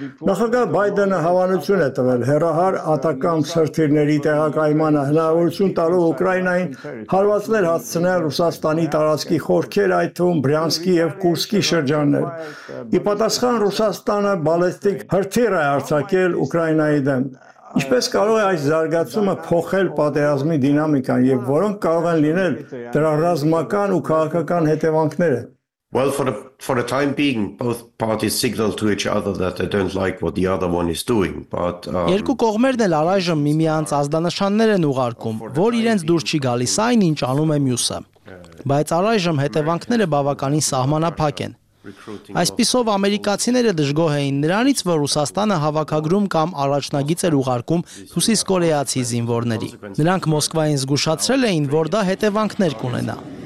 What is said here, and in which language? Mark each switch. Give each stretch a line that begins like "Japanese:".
Armenian: Նախագահ Բայդենը հավանություն է տվել հեռահար ատական սրտիրների տեղակայմանը, հնարավորություն տալու Ուկրաինային հարվածներ հասցնել Ռուսաստանի տարածքի խորքեր, այդ թվում Բրյանսկի և Կուրսկի շրջաններ։ Ի պատասխան Ռուսաստանը բալիստիկ հրթիռ է արձակել Ուկրաինայի դեմ։ Ինչպես կարող է այս զարգացումը փոխել պատերազմի դինամիկան և որոնք կարող են լինել դրա ռազմական ու քաղաքական հետևանքները։
English: Well, for the time being, both parties signal to each other that they don't like what the other one is doing, but
Armenian: երկու կողմերն էլ առայժմ միմյանց ազդանշաններ են ուղարկում, որ իրենց դուր չի գալիս այն, ինչ անում է մյուսը։ Բայց առայժմ հետևանքները բավականին սահմանափակ են։ Այսպիսով ամերիկացիները դժգոհ էին նրանից, որ Ռուսաստանը հավաքագրում կամ առաջնագիծ էր ուղարկում Հուսիս Կորեացի զինվորների։ Նրանք Մոսկվային զգուշացրել էին, որ դա հետևանքներ կունենա։